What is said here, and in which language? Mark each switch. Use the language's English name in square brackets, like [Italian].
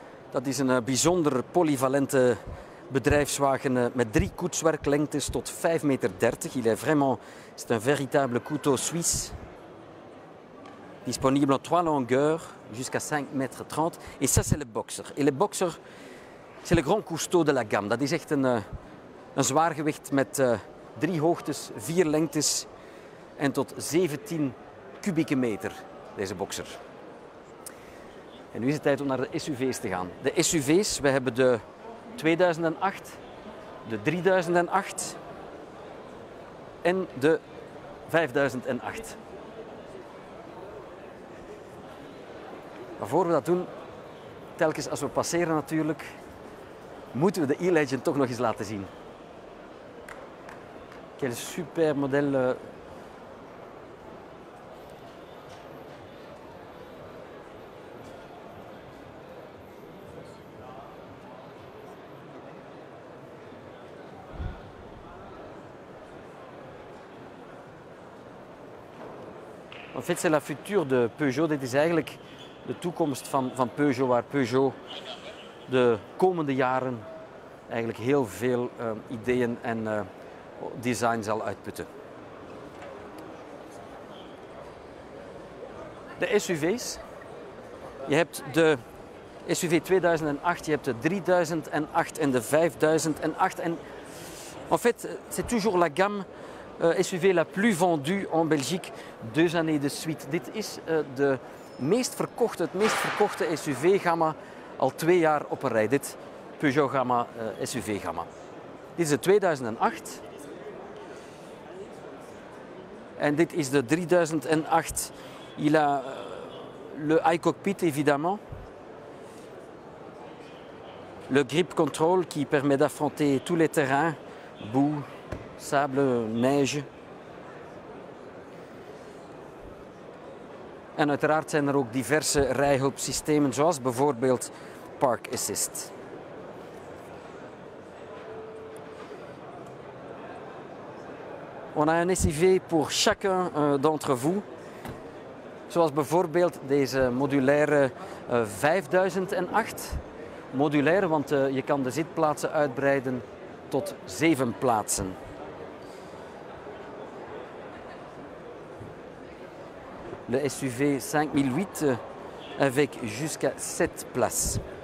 [Dutch] Dat is een bijzonder polyvalente bedrijfswagen met 3 koetswerklengtes tot 5,30 meter. [French] Il est vraiment, c'est un véritable couteau suisse. Disponible en 3 longueurs, jusqu'à 5,30 meter. Et ça, c'est le boxer. Et le boxer, c'est le grand couteau de la gamme. [Dutch] Dat is echt een zwaargewicht met 3 hoogtes, 4 lengtes en tot 17 kubieke meter, deze boxer. En nu is het tijd om naar de SUV's te gaan. De SUV's, we hebben de 2008, de 3008 en de 5008. Maar voor we dat doen, telkens als we passeren natuurlijk, moeten we de e-Legend toch nog eens laten zien. [French] Quel super model. En fait, c'est la future de Peugeot. [Dutch] Dit is eigenlijk de toekomst van Peugeot, waar Peugeot de komende jaren eigenlijk heel veel ideeën en design zal uitputten. De SUV's. Je hebt de SUV 2008, je hebt de 3008 en de 5008. [French] En en fait, c'est toujours la gamme. SUV la plus vendue en Belgique, 2 années de suite. [Dutch] Dit is het meest verkochte SUV-gamma al 2 jaar op een rij. Dit Peugeot-gamma, SUV-gamma. Dit is de 2008. En dit is de 3008. [French] Il a le iCockpit, évidemment. Le grip control, qui permet d'affronter tous les terrains, boue, sable, neige. [Dutch] En uiteraard zijn er ook diverse rijhulpsystemen, zoals bijvoorbeeld Park Assist. [French] On a un SUV pour chacun d'entre vous. [Dutch] Zoals bijvoorbeeld deze modulaire 5008. Modulair, want je kan de zitplaatsen uitbreiden tot 7 plaatsen. [French] De SUV 5008 avec jusqu'à 7 places.